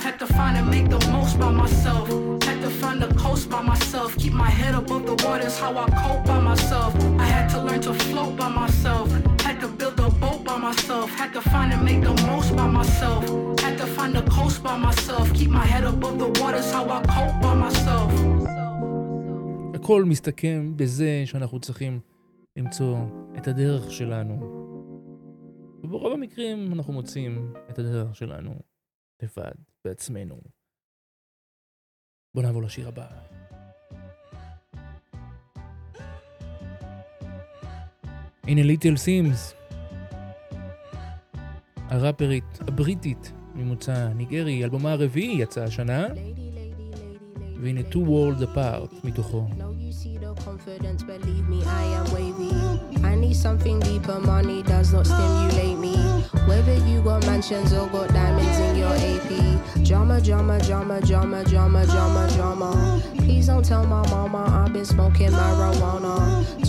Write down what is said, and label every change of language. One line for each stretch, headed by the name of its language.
English: Had to find and make the most by myself. Had to find the coast by myself. Keep my head above the water, that's how I cope by myself. I had to learn to float by myself. Had to build a boat by myself. Had to find and make the most by myself. Had to find the coast by myself. Keep my head above the water, that's how I cope by myself.
Hebrew: הכל מסתכם בזה שאנחנו צריכים למצוא את הדרך שלנו. וברוב המקרים אנחנו מוצאים את הדרך שלנו לבד בעצמנו. בוא נעבור לשיר הבא. הנה ליטל סימס, הראפרית הבריטית ממוצא ניגרי, אלבומה הרביעי יצא השנה, והנה Two Worlds Apart מתוכו.
English: Confidence, believe me, I am wavy. I need something deeper, money does not stimulate me. Whether you got mansions or got diamonds in your AP. Drama, drama, drama, drama, drama, drama, drama. Please don't tell my mama I've been smoking marijuana.